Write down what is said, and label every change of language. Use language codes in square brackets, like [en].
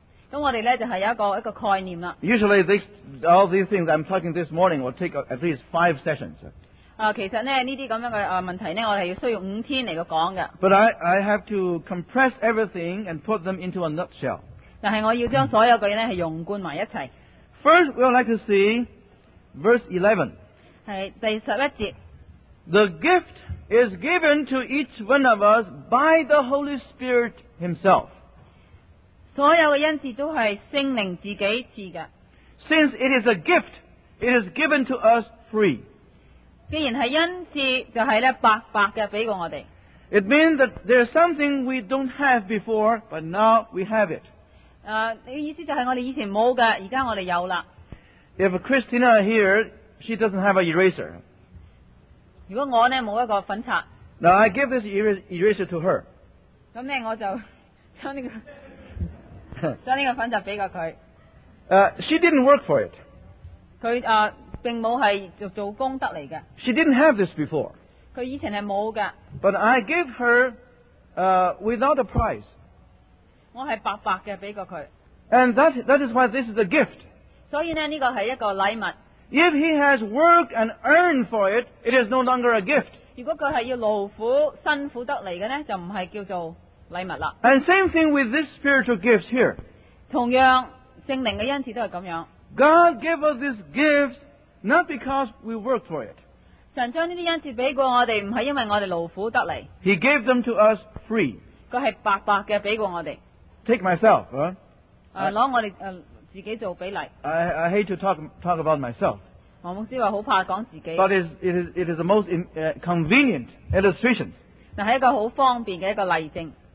[zh] 那我们呢就是一个概念了。 [en] Usually all these things I'm talking this morning will take at least five sessions. [zh] 其实呢这些这样的问题呢我们需要五天来讲的。 [en] But I have to compress everything and put them into a nutshell. [zh] 但是我要将所有的东西融贯在一起。 [en] First, we would like to see verse 11. [zh] 是第11节。 [en] The gift is given to each one of us by the Holy Spirit himself. [zh] 所有的恩赐都是圣灵自己赐的。 [en] Since it is a gift, it is given to us free. [zh] 既然是恩赐，就是白白的给过我们。 [en] It means that there is something we don't have before, but now we have it. [zh] 意思就是我们以前没有的，现在我们有了。 [en] If Christina here, she doesn't have an eraser. [zh] 如果我呢，没有一个粉刷。 [en] Now I give this eraser to her. [zh] 那呢，我就将这个将这个粉刷给过她。 [en] She didn't work for it. [zh] 她并没有是 做功德来的。 [en] She didn't have this before. [zh] 她以前是没有的。 [en] But I give her without a price. [zh] 我是白白的给过她。 [en] And that is why this is a gift. [zh] 所以呢，这个是一个礼物。 [en] If he has worked and earned for it, it is no longer a gift. [zh] 如果他是要劳苦、辛苦得来的呢，就不是叫做礼物了。 [en] And same thing with this spiritual gifts here. [zh] 同样圣灵的恩赐都是这样。 [en] God gave us these gifts not because we worked for it. [zh] 神将这些恩赐给过我们，不是因为我们劳苦得来。 [en] He gave them to us free. [zh] 他是白白的给过我们。 [en] Take myself, huh? [zh] 拿我们自己做比例。 [en] I hate to talk about myself. [zh] 王牧师说很怕说自己。 [en] But it is the most convenient illustration. [zh] 是一个很方便的一个例证。